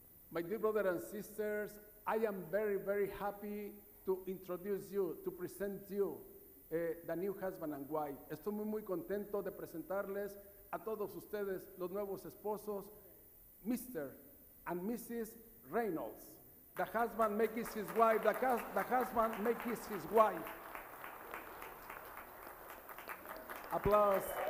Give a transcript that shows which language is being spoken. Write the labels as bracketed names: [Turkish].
[English] My dear brother and sisters, I am very, very happy to introduce you, to present you the new husband and wife. [Spanish] Estoy muy, muy contento de presentarles a todos ustedes los nuevos esposos, Mr. [English] and Mrs. Reynolds. The husband makes his wife, the husband makes his wife. Applause.